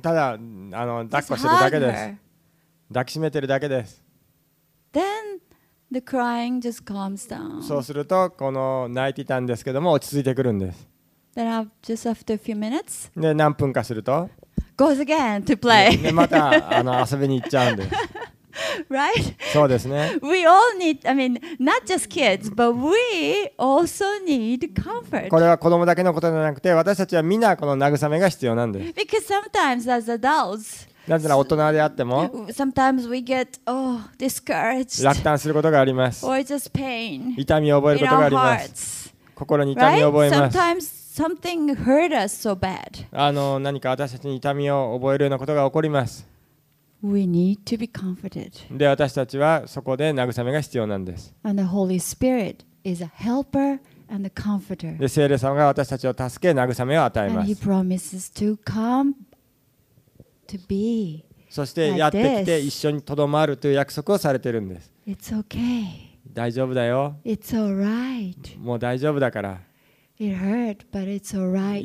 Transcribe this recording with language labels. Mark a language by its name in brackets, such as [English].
[Japanese] ただ、抱っこしてるだけです。抱きしめてるだけです。 [English] Then the crying just calms down. [Japanese] そうすると、この泣いていたんですけども、落ち着いてくるんです。 [English] Then just after a few minutes, [Japanese] で、何分かすると、 [English] goes again to play. [Japanese] で、また遊びに行っちゃうんです。 [English] Right? [Japanese] そうですね。 [English] We all need, I mean, not just kids, but we also need comfort. [Japanese] これは子供だけのことじゃなくて、私たちはみんなこの慰めが必要なんです。 [English] Because sometimes as adults, [Japanese] なぜなら大人であっても、 [English] sometimes we get, oh, discouraged. [Japanese] 落胆することがあります。 [English] Or just pain. [Japanese] 痛みを覚えることがあります。 [English] In our hearts. [Japanese] 心に痛みを覚えます。 [English] Sometimes something hurt us so bad. [Japanese] 何か私たちに痛みを覚えるようなことが起こります。 [English] We need to be comforted. [Japanese] で、私たちはそこで慰めが必要なんです。 [English] And the Holy Spirit is a helper and a comforter. [Japanese] で、聖霊様が私たちを助け、慰めを与えます。 [English] And He promises to come to be. [Japanese] そしてやってきて一緒にとどまるという約束をされているんです。 [English] It's okay. [Japanese] 大丈夫だよ。 [English] It's all right. [Japanese] もう大丈夫だから。 [English] It hurt, but it's all right now.